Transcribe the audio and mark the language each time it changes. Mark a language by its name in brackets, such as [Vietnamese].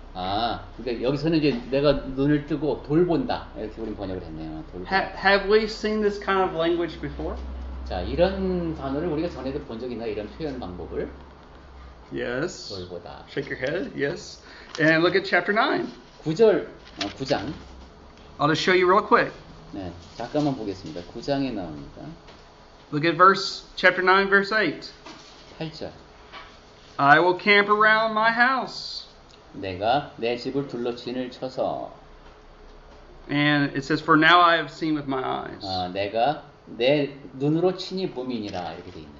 [Korean] 아, 그러니까 여기서는 이제 내가 눈을 뜨고 돌본다 이렇게 우리 번역을 했네요. 돌본다. [English] Have we seen this kind of language before? [Korean] 자, 이런 단어를 우리가 전에도 본 적 있나 이런 표현 방법을? [English] Yes. [Korean] 돌보다. [English] Shake your head. Yes. And look at chapter 9. [Korean] 9절, 9장. [English] I'll just show you real quick. [Korean] 네, 잠깐만 보겠습니다. 9장에 나옵니다. [English] Look at chapter 9, verse 8. [Korean] 8절. [English] I will camp around my house. [Korean] 내가 내 집을 둘러 진을 쳐서. [English] And it says, for now I have seen with my eyes. [Korean] 아, 내가 내 눈으로 친히 봄이니라 이렇게 돼 있네.